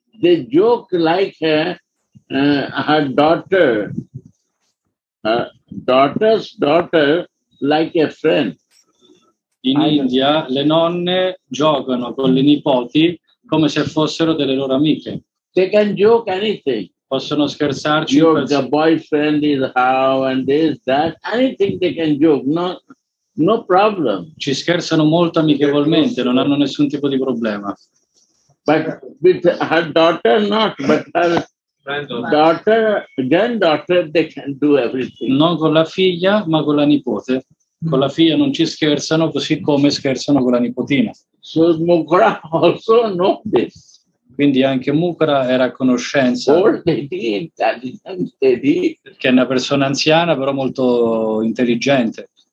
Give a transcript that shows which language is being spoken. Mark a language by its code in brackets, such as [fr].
[en] They joke like her daughter, daughter's daughter, like a friend. [it] In India le nonne giocano con le nipoti come se fossero delle loro amiche. [en] They can joke anything. [it] Possono scherzarci. [en] Your boyfriend is how and this, that, anything they can joke, no problem. [it] Ci scherzano molto amichevolmente, non hanno nessun tipo di problema. [en] But with her daughter, not, but her daughter, granddaughter, they can do everything. [it] Non con la figlia, ma con la nipote. Con la figlia non ci scherzano, così come scherzano con la nipotina. [en] So Mukhara also knows this. [it] Quindi anche Mukhara era a conoscenza. Che è una persona anziana, però molto intelligente.